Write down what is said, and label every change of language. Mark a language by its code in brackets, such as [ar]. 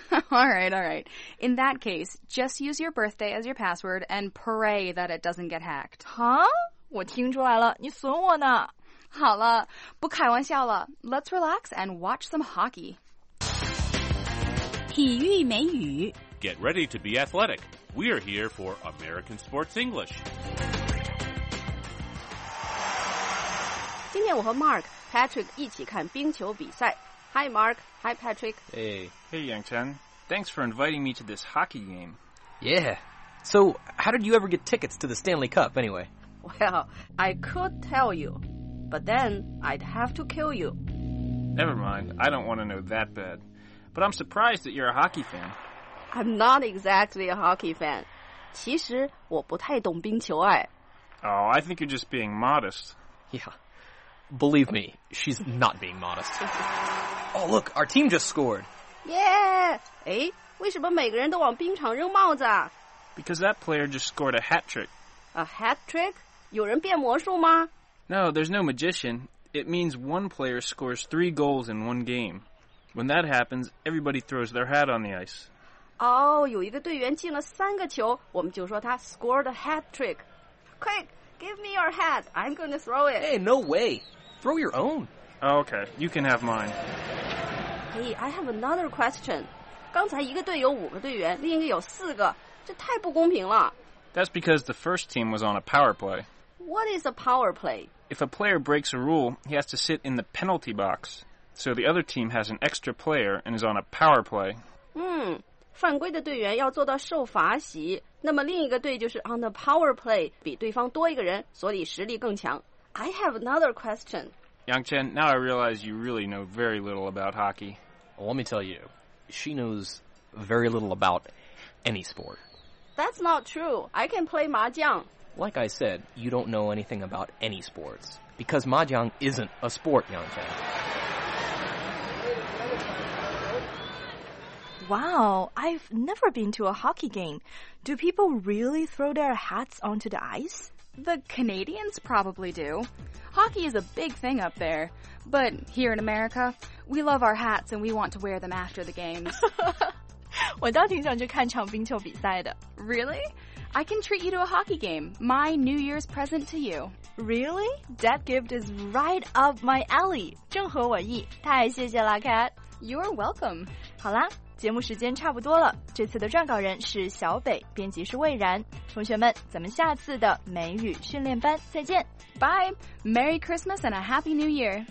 [en] All right. In that case, just use your birthday as your password and pray that it doesn't get hacked. [zh] Huh? 我听出来了，你损我呢。好了，不开玩笑了。 [en] Let's relax and watch some hockey. [zh] 体育美语。 [en] Get ready to be athletic. We are here for American Sports English. [zh] 今天我和 Mark、Patrick 一起看冰球比赛。 [en] Hi, Mark. Hi, Patrick. Hey, Yangchen. Thanks for inviting me to this hockey game. Yeah. So, how did you ever get tickets to the Stanley Cup, anyway? Well, I could tell you, but then I'd have to kill you. Never mind. I don't want to know that bad. But I'm surprised that you're a hockey fan. I'm not exactly a hockey fan. [zh] 其实我不太懂冰球哎。 [en] Oh, I think you're just being modest. Yeah. Believe me, she's not being modest. Oh, look, our team just scored. Yeah! [zh] 为什么每个人都往冰场扔帽子啊? [en] Because that player just scored a hat trick. A hat trick? [zh] 有人变魔术吗? [en] No, there's no magician. It means one player scores 3 goals in one game. When that happens, everybody throws their hat on the ice. [zh] Oh, 有一个队员进了3个球,我们就说他 [en] scored a hat trick. Quick! Give me your hat. I'm going to throw it. Hey, no way. Throw your own. Okay, you can have mine. Hey, I have another question. 刚才一个队有五个队员，另一个有四个，这太不公平了。 That's because the first team was on a power play. What is a power play? If a player breaks a rule, he has to sit in the penalty box. So the other team has an extra player and is on a power play. [zh] 犯规的队员要坐到受罚席，那么另一个队就是 [en] on the power play, [zh] 比对方多一个人，所以实力更强。 [en] I have another question. Yangchen, now I realize you really know very little about hockey. Well, let me tell you, she knows very little about any sport. That's not true. I can play mahjong. Like I said, you don't know anything about any sports. Because mahjong isn't a sport, Yangchen. Wow, I've never been to a hockey game. Do people really throw their hats onto the ice? The Canadians probably do. Hockey is a big thing up there. But here in America, we love our hats and we want to wear them after the games. [zh] 我倒挺想去看场冰球比赛的。 [en] Really? I can treat you to a hockey game. My New Year's present to you. Really? That gift is right up my alley. [zh] 正合我意。太谢谢了, [en] Kat. You're welcome. [zh] 好啦。节目时间差不多了，这次的撰稿人是小北，编辑是魏然。同学们，咱们下次的美语训练班再见。 [en] Bye, Merry Christmas and a Happy New Year.